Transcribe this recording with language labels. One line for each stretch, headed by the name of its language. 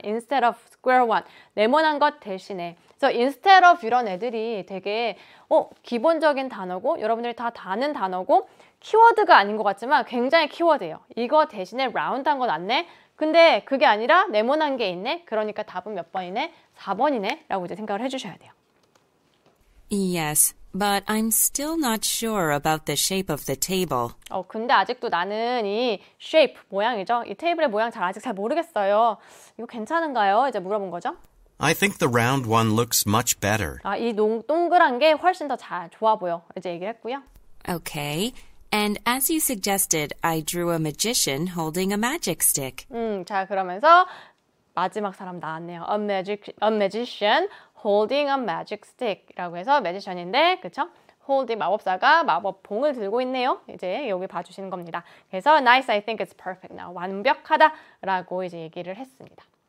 English: Instead of square one.
Korean: 네모난 것 대신에. So instead of 이런 애들이 되게 기본적인 단어고 여러분들이 다 아는 단어고 키워드가 아닌 것 같지만 굉장히 키워드예요. 이거 대신에 라운드한 거 낫네. 근데 그게 아니라 네모난 게 있네. 그러니까 답은 몇 번이네? 4번이네? 라고 이제 생각을 해주셔야 돼요.
English: Yes, but I'm still not sure about the shape of the table.
Korean: 근데 아직도 나는 이 shape, 모양이죠? 이 테이블의 모양 아직 잘 모르겠어요. 이거 괜찮은가요? 이제 물어본 거죠?
English: I think the round one looks much better.
Korean: 이 동그란 게 훨씬 더 잘 좋아 보여. 이제 얘기를 했고요.
English: Okay. And as you suggested, I drew a magician holding a magic stick.
Korean: 자, 그러면서 마지막 사람 나왔네요.
English: A magician holding a magic stick.
Korean: 라고 해서 magician인데, 그쵸? Holding 마법사가 마법 봉을 들고 있네요. 이제 여기 봐주시는 겁니다. 그래서
English: nice, I think it's perfect now.
Korean: 완벽하다. 라고 이제 얘기를 했습니다.